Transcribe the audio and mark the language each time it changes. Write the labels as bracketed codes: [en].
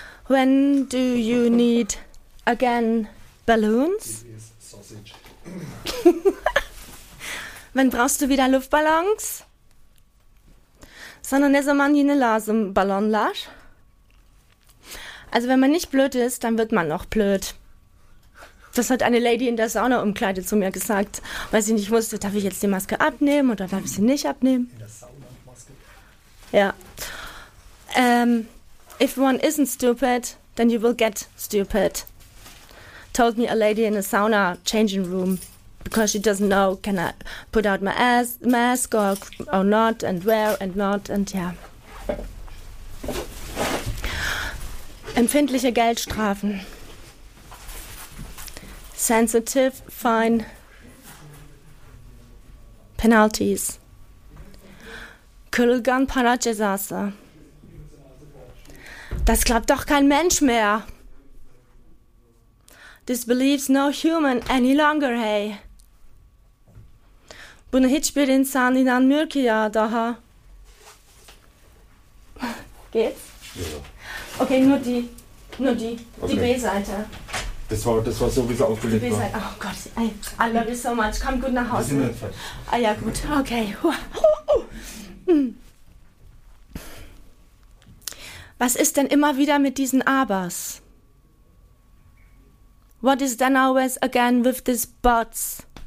[en] When do you need again balloons? [de] Wann brauchst du wieder Luftballons? Sondern ist man in Lasem Ballon lasch. Also wenn man nicht blöd ist, dann wird man noch blöd. Das hat eine Lady in der Sauna-Umkleide zu mir gesagt, weil sie nicht wusste, darf ich jetzt die Maske abnehmen oder darf ich sie nicht abnehmen? In der Sauna-Maske. Ja. [en] If one isn't stupid, then you will get stupid. Told me a lady in a sauna changing room because she doesn't know, can I put out my mask or not and where and not and yeah. [de] Empfindliche Geldstrafen. [en] Sensitive fine penalties. Kulgan parajesasa. [de] Das glaubt doch kein Mensch mehr. [en] This believes no human any longer, hey. [tr] Bunu hiçbir insan inanmıyor ki ya daha. [de] Geht's? Ja. Okay, nur die okay. B-Seite. Das war so, wie sie aufgelegt war. Oh Gott, [en] I love you so much. [de] Komm gut nach Hause. Wir sind fertig. Ah ja, gut. Okay. Was ist denn immer wieder mit diesen Abers? [en] What is then always again with these buts?